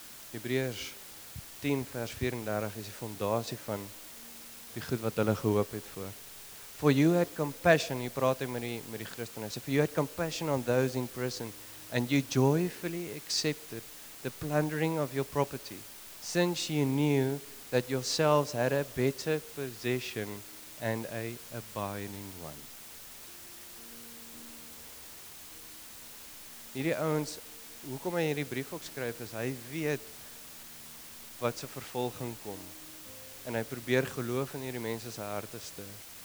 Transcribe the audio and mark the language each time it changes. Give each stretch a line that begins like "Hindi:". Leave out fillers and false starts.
Afrikaans: Hebreërs 10 vers 34 is die fondasie van die goed wat hulle gehoop het voor.
English: For you had compassion,
Afrikaans: jy praat hy met die Christen, hy sê,
English: for you had compassion on those in prison, and you joyfully accepted the plundering of your property, since you knew that yourselves had a better possession and a abiding one.
Afrikaans: hierdie ouens, hoekom hy hierdie brief ook skryf, is hy weet wat sy vervolging kom. En hy probeer geloof in hierdie mense sy harte stuur.